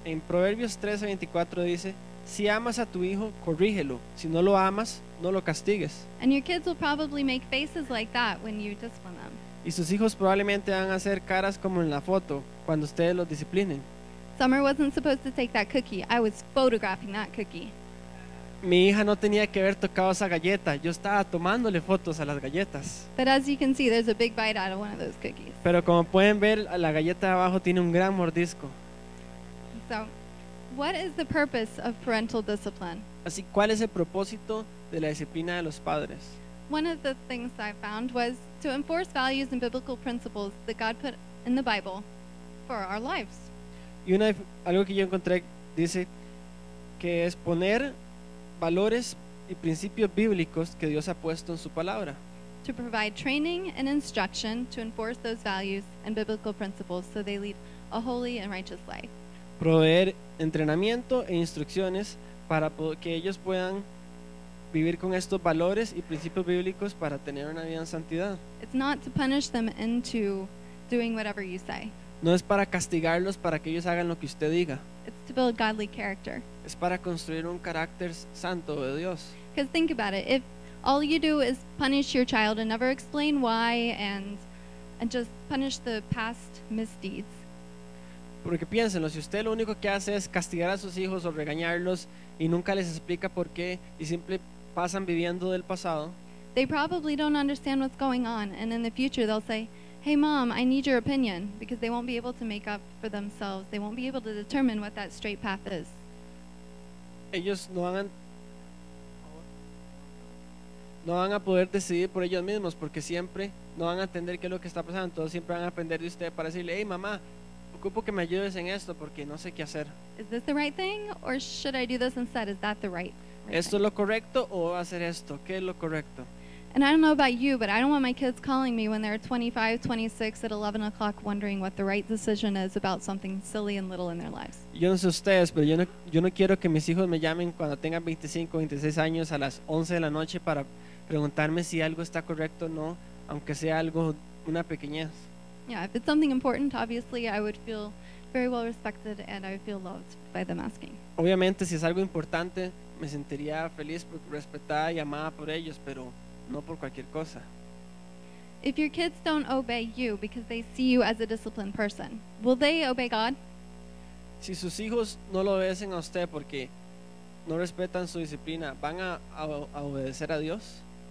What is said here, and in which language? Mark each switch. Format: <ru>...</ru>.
<es>En Proverbios 13:24 dice, si amas a tu hijo, corrígelo. Si no lo amas, no lo castigues.</es> <en>And your kids will probably make faces like that when you discipline them.</en> <es>Y sus hijos probablemente van a hacer caras como en la foto cuando ustedes los disciplinen.</es> <en>Summer wasn't supposed to take that cookie. I was photographing that cookie.</en> <es>Mi hija no tenía que haber tocado esa galleta. Yo estaba tomándole fotos a las galletas.</es> <en>But as you can see, there's a big bite out of one of those cookies.</en> <es>Pero como pueden ver, la galleta de abajo tiene un gran mordisco.</es> <en>So, what is the purpose of parental discipline?</en> <es>Así, ¿cuál es el propósito de la disciplina de los padres?</es> <en>One of the things I found was to enforce values and biblical principles that God put in the Bible for our lives.</en> <es>Y algo que yo encontré dice que es poner valores y principios bíblicos que Dios ha puesto en su palabra.</es> <en>To provide training and instruction to enforce those values and biblical principles so they lead a holy and righteous life.</en> <es>Proveer entrenamiento e instrucciones para que ellos puedan vivir con estos valores y principios bíblicos para tener una vida en santidad.</es> <en>It's not to punish them into doing whatever you say.</en> <es>No es para castigarlos para que ellos hagan lo que usted diga.</es> <en>It's to build godly character.</en> <es>Es para construir un carácter santo de Dios.</es> <en>Because think about it, if all you do is punish your child and never explain why and just punish the past misdeeds.</en> <es>Porque piénsenlo, si usted lo único que hace es castigar a sus hijos o regañarlos y nunca les explica por qué y simple pasan viviendo del pasado.</es> <en>They probably don't understand what's going on, and in the future they'll say, hey mom, I need your opinion, because they won't be able to make up for themselves. They won't be able to determine what that straight path is.</en> <es>Ellos no van a poder decidir por ellos mismos, porque siempre no van a entender qué es lo que está pasando. Entonces siempre van a aprender de usted para decirle, hey mamá, ocupo que me ayudes en esto porque no sé qué hacer.</es> <en>Is this the right thing, or should I do this instead? Is that the right</en> <es>thing? ¿Esto es lo correcto o hacer esto? ¿Qué es lo correcto?</es> <en>And I don't know about you, but I don't want my kids calling me when they're 25, 26 at 11 o'clock wondering what the right decision is about something silly and little in their lives.</en> <es>Yo no sé ustedes, pero yo no quiero que mis hijos me llamen cuando tengan 25, 26 años a las 11 de la noche para preguntarme si algo está correcto o no, aunque sea algo, una pequeñez.</es> <en>Yeah, if it's something important, obviously I would feel very well respected and I would feel loved by them asking.</en> <es>Obviamente, si es algo importante, me sentiría feliz, respetada y amada por ellos, pero no por cualquier cosa.</es> <en>If your kids don't obey you because they see you as a disciplined person, will they obey God?</en> <es>Si sus hijos no lo obedecen a usted porque no respetan su disciplina, ¿van a obedecer a Dios?</es>